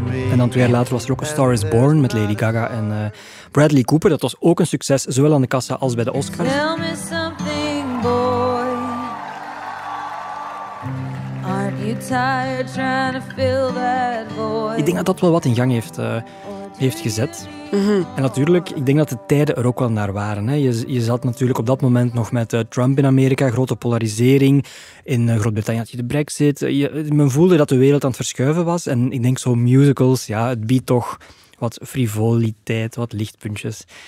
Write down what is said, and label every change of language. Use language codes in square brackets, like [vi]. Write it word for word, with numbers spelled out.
[nl] En dan twee jaar later was er ook A Star Is Born met Lady Gaga en uh, Bradley Cooper. Dat was ook een succes, zowel aan de kassa als bij de Oscars. [en] Tell me something, boy. Aren't you tired trying to fill that void? [nl] Ik denk dat dat wel wat in gang heeft, uh, heeft gezet. Mm-hmm. En natuurlijk, ik denk dat de tijden er ook wel naar waren. Hè. Je, je zat natuurlijk op dat moment nog met uh, Trump in Amerika, grote polarisering. In uh, Groot-Brittannië had je de Brexit. Je, men voelde dat de wereld aan het verschuiven was. En ik denk zo musicals, ja, het biedt toch wat frivoliteit, wat lichtpuntjes.